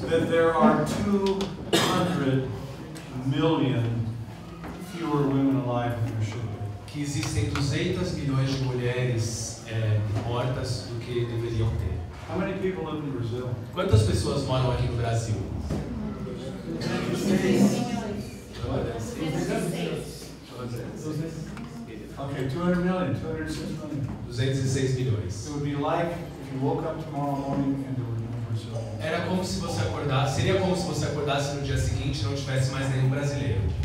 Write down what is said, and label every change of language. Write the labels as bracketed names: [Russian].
[English] that there are 200 million fewer women alive than there should be. [Portuguese] Que existem 200 milhões de mulheres mortas do que deveriam ter. [English] How many people live in Brazil? [Portuguese] Quantas pessoas moram aqui no Brasil? 206 milhões. [English] It would be like if you woke up tomorrow morning and there were no Brazil. [Portuguese] Era como se você acordasse, seria como se você acordasse no dia seguinte e não tivesse mais nenhum brasileiro.